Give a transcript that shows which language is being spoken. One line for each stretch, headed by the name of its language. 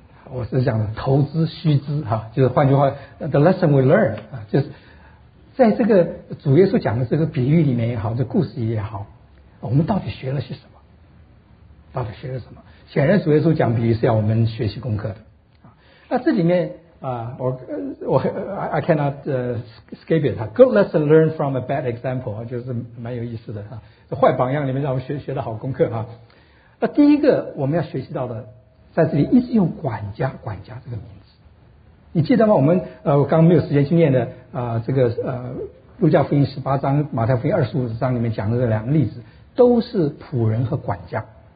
Chinese: 我是讲投资须知哈，就是换句话 ， the lesson we learn 就是在这个主耶稣讲的这个比喻里面也好，这故事也好，我们到底学了些什么？到底学了什么？显然主耶稣讲比喻是要我们学习功课的。
English: 那这里面啊，我 I cannot escape it. Good lesson learned from a bad example，就是蛮有意思的哈。
Chinese: 这坏榜样里面让我们学的好功课哈。那第一个我们要学习到的，在这里一直用管家，管家这个名字，你记得吗？我们我刚刚没有时间去念的啊、这个路加福音十八章、马太福音二十五章里面讲的这两个例子，都是仆人和管家。